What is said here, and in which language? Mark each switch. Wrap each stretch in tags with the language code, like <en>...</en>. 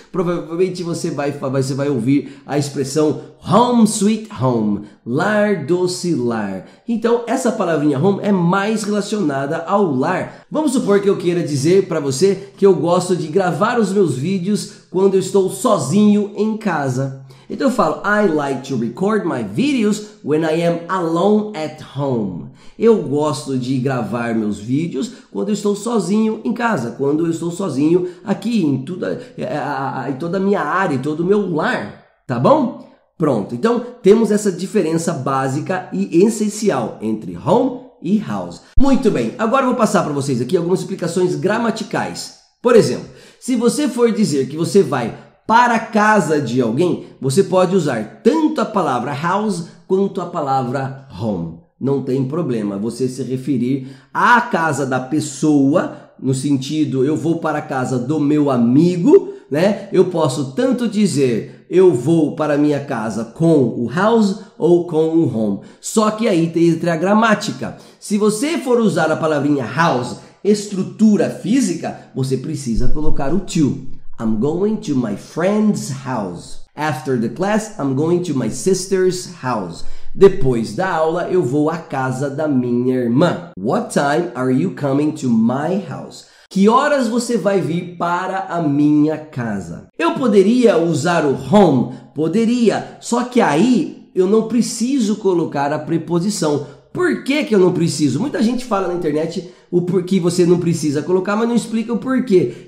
<pt>Provavelmente você vai ouvir a expressão</pt> <en>home sweet home.</en> <pt>Lar doce lar. Então essa palavrinha home é mais relacionada ao lar. Vamos supor que eu queira dizer para você que eu gosto de gravar os meus vídeos quando eu estou sozinho em casa. Então eu falo,</pt> <en>I like to record my videos when I am alone at home.</en> <pt>Eu gosto de gravar meus vídeos quando eu estou sozinho em casa, quando eu estou sozinho aqui em toda a minha área, em todo o meu lar, tá bom? Pronto, então temos essa diferença básica e essencial entre home e house. Muito bem, agora eu vou passar para vocês aqui algumas explicações gramaticais. Por exemplo, se você for dizer que você vai para a casa de alguém, você pode usar tanto a palavra house quanto a palavra home. não tem problema você se referir à casa da pessoa, no sentido, eu vou para a casa do meu amigo, né? Eu posso tanto dizer, eu vou para a minha casa com o house ou com o home. Só que aí entra a gramática. Se você for usar a palavrinha house, estrutura física, você precisa colocar o to.</pt> <en>I'm going to my friend's house. After the class, I'm going to my sister's house.</en> <pt>Depois da aula, eu vou à casa da minha irmã.</pt> <en>What time are you coming to my house?</en> <pt>Que horas você vai vir para a minha casa? Eu poderia usar o home? Poderia. Só que aí eu não preciso colocar a preposição. Por que que eu não preciso? Muita gente fala na internet o porquê você não precisa colocar, mas não explica o porquê.</pt>